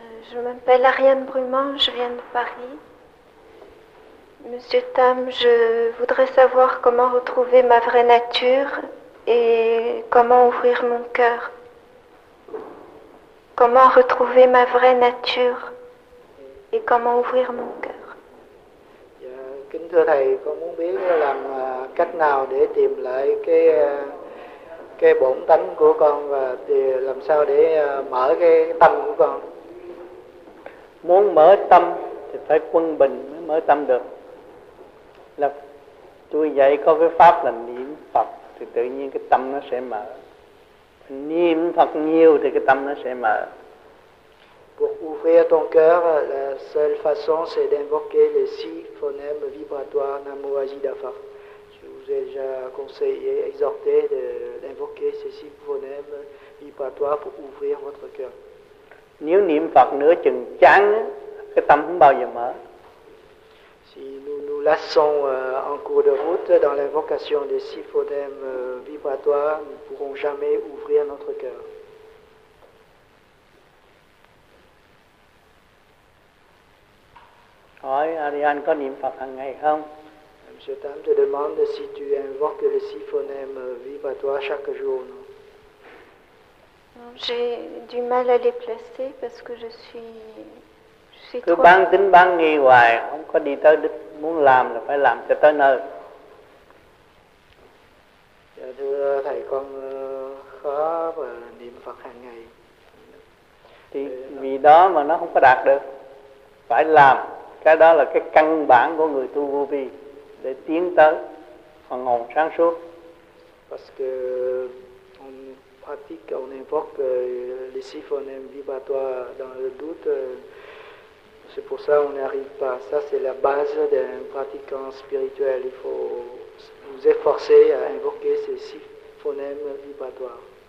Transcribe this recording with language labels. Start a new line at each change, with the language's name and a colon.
French: Je m'appelle Ariane Brumand, je viens de Paris. Monsieur Tam, je voudrais savoir comment retrouver ma vraie nature et comment ouvrir mon cœur. Comment retrouver ma vraie nature et comment ouvrir mon cœur.
Vietnamese: Kính thưa Thầy, con muốn biết làm cách nào để tìm lại cái bổn tánh của con và làm sao để mở cái tâm của con. Muốn mở tâm thì phải quân bình mới mở tâm được. Là tôi dạy có cái pháp là niệm Phật thì tự nhiên cái tâm nó sẽ mở. Niệm Phật nhiều thì cái tâm nó sẽ mở.
French: Pour ouvrir ton cœur, la seule façon c'est d'invoquer les six phonèmes vibratoires Namo Ajida Phat. Je vous ai déjà conseillé, exhorté d'invoquer ces six phonèmes vibratoires pour ouvrir votre cœur.
Vietnamese: Nếu niệm Phật nửa chừng chán, cái tâm không bao giờ mở.
French: Si nous nous lassons en cours de route dans l'invocation des six phonèmes vibratoires, nous ne pourrons jamais ouvrir notre cœur.
Vietnamese: Hỏi Ariane có niệm Phật hàng ngày không?
French: Monsieur Tam te demande si tu invoques les six phonèmes vibratoires chaque jour. Non? J'ai du mal à les placer parce que je suis
Vietnamese: cứ băng tính băng nghi hoài, không có đi tới đích, muốn làm là phải làm cho tới nơi. Dạ thưa thầy, con khó và niệm Phật hàng ngày. Thì vì đó mà nó không có đạt được. Phải làm, cái đó là cái căn bản của người tu vô vi để tiến tới phần hồn sáng suốt.
French: Parce que on pratique, on invoque les six phonèmes vibratoires dans le doute. C'est pour ça on n'arrive pas. Ça c'est la base d'un pratiquant spirituel. Il faut vous efforcer à invoquer ces six phonèmes vibratoires.